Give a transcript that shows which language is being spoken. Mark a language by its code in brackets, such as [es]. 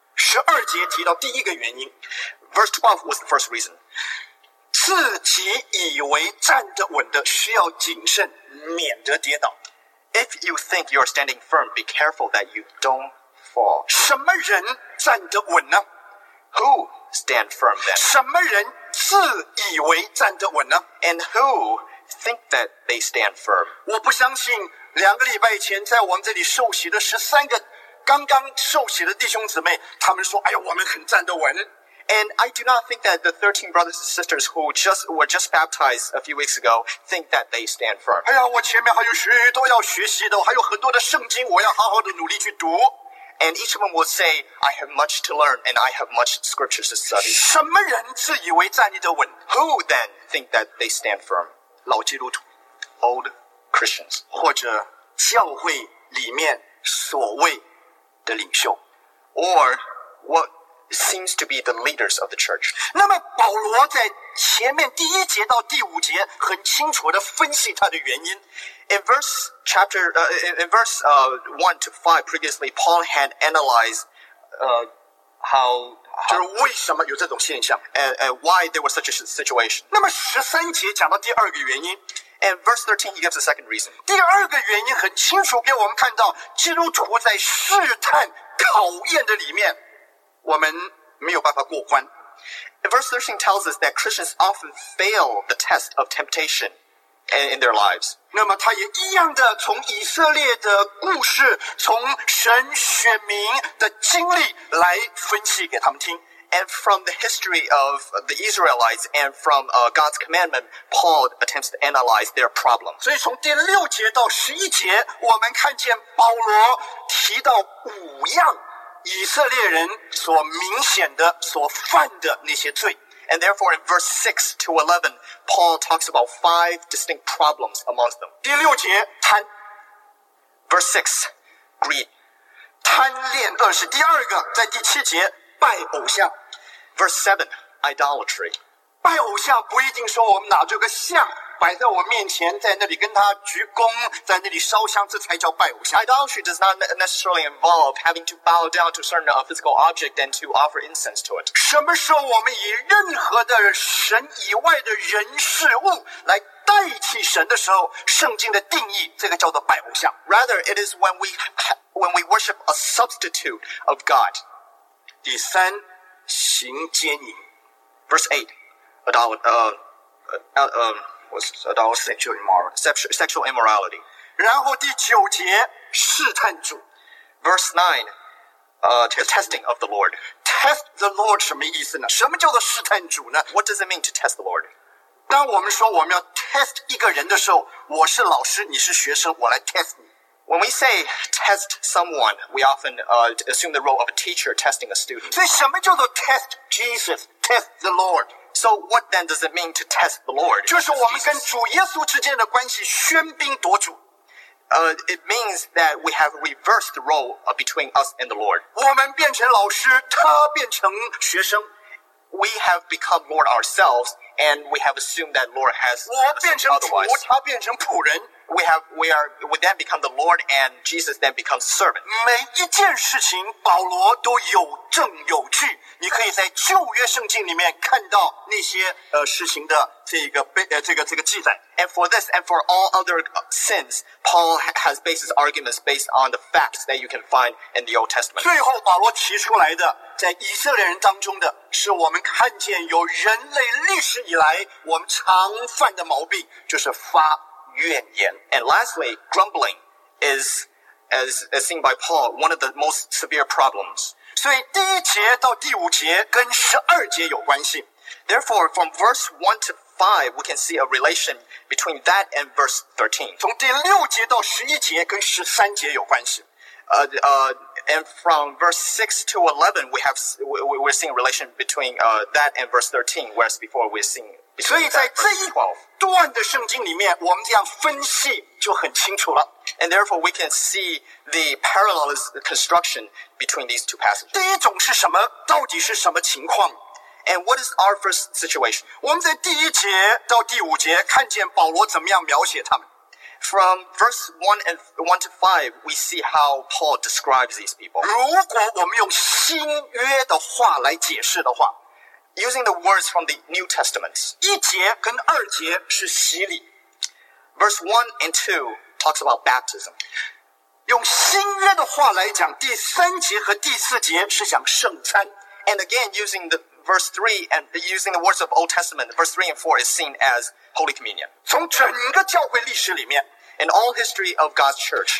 [zh] 十二节提到第一个原因。 [en] Verse 12 was the first reason. [zh] 自己以为站得稳的需要谨慎，免得跌倒。 [en] If you think you're standing firm, be careful that you don't fall. [zh] 什么人站得稳呢？ [en] Who stand firm then? [zh] 什么人自以为站得稳呢？ [en] And who think that they stand firm? [zh] 我不相信两个礼拜前在我们这里受洗的十三个刚刚受洗的弟兄姊妹，他们说，哎呀，我们很站得稳。 [en] And I do not think that the 13 brothers and sisters who were just baptized a few weeks ago think that they stand firm. [zh] 哎呀，我前面还有许多要学习的，还有很多的圣经，我要好好的努力去读。 [en] And each of them will say, I have much to learn and I have much scriptures to study. [zh] 什么人自以为站得稳？ [en] Who then think that they stand firm? [zh] 老基督徒。 [en] Old Christians. [zh] 或者教会里面所谓的领袖。 [en] Or what? Seems to be the leaders of the church. [zh] 那么保罗在前面第一节到第五节很清楚地分析他的原因。 [en] In verse 1 to 5 previously, Paul had analyzed, how [zh] 就是为什么有这种现象 [en] and why there was such a situation. [zh] 那么十三节讲到第二个原因。 [en] And verse 13, he gives a second reason. [zh] 第二个原因很清楚给我们看到基督徒在试探考验的里面。我们没有办法过关。 [en] Verse 13 tells us that Christians often fail the test of temptation in their lives. [zh] 那么他也一样的从以色列的故事，从神选民的经历来分析给他们听。 [en] And from the history of the Israelites and from God's commandment, Paul attempts to analyze their problem. [zh] 所以从第六节到十一节，我们看见保罗提到五样。以色列人所明显的所犯的那些罪。 [en] And therefore in verse 6 to 11, Paul talks about five distinct problems amongst them. [zh] 第六节贪。 [en] Verse 6, greed. [zh] 贪恋恶事。第二个在第七节拜偶像。 [en] Verse 7, idolatry. [zh] 拜偶像不一定说我们拿这个像。摆在我面前，在那里跟他鞠躬，在那里烧香，这才叫拜偶像。 [en] Idolatry does not necessarily involve having to bow down to certain physical object and to offer incense to it. [zh] 什么时候我们以任何的神以外的人事物来代替神的时候，圣经的定义，这个叫做拜偶像。 [en] Rather, it is when we worship a substitute of God. [zh] 第三，行奸淫。 [en] Verse 8, sexual immorality. [zh] 然后第九节试探主。 [en] Verse 9, testing of the Lord. Test the Lord [zh] 什么意思呢？什么叫做试探主呢？ [en] What does it mean to test the Lord? [zh] 当我们说我们要 test 一个人的时候，我是老师，你是学生，我来 test 你。 [en] When we say test someone, we often assume the role of a teacher testing a student. [zh] 所以什么叫做 [en] test Jesus? Test the Lord. So what then does it mean to test the Lord? [zh] 就是我们跟主耶稣之间的关系喧宾夺主。 [en] It means that we have reversed the role between us and the Lord. [zh] 我们变成老师，他变成学生。 [en] We have become Lord ourselves, and we have assumed that Lord has otherwise. [zh] 我变成仆，他变成仆人。 [en] We then become the Lord, and Jesus then becomes servant. [zh] 每一件事情，保罗都有证有据。你可以在旧约圣经里面看到那些事情的这个记载。 [en] And for this and for all other sins, Paul has based his arguments based on the facts that you can find in the Old Testament. [zh] 最后，保罗提出来的在以色列人当中的是我们看见有人类历史以来我们常犯的毛病，就是发怨言。 [en] And lastly, grumbling is, as seen by Paul, one of the most severe problems. [zh] 所以第一节到第五节跟十二节有关系。 [en] Therefore, from verse 1 to 5, we can see a relation between that and verse 13. [zh] 从第六节到十一节跟十三节有关系。 [en] And from verse 6 to 11, we're seeing a relation between that and verse 13, whereas before we're seeing between that and verse 12. [zh] 所以在这一段的圣经里面，我们这样分析就很清楚了。 [en] And therefore, we can see the parallelism construction between these two passages. [zh] 第一种是什么？到底是什么情况？ [en] And what is our first situation? [zh] 我们在第一节到第五节看见保罗怎么样描写他们。 [en] From verse 1 to 5, we see how Paul describes these people. [zh] 如果我们用新约的话来解释的话， [en] using the words from the New Testament. [zh] 一节跟二节是洗礼。 [en] Verse 1 and 2 talks about baptism. [zh] 用新约的话来讲，第三节和第四节是讲圣餐。 [en] And again, using the verse 3 and using the words of Old Testament, verse 3 and 4 is seen as Holy Communion. [zh] 从整个教会历史里面， [en] In all history of God's church,